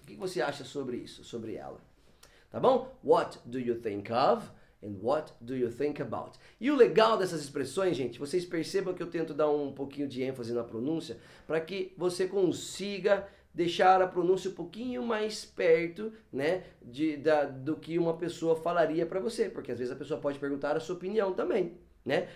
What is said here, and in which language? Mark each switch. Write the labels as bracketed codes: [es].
[pt] O que você acha sobre isso, sobre ela? Tá bom? [en] What do you think of and what do you think about? [pt] E o legal dessas expressões, gente, vocês percebam que eu tento dar um pouquinho de ênfase na pronúncia para que você consiga deixar a pronúncia um pouquinho mais perto, né, do que uma pessoa falaria para você, porque às vezes a pessoa pode perguntar a sua opinião também, né?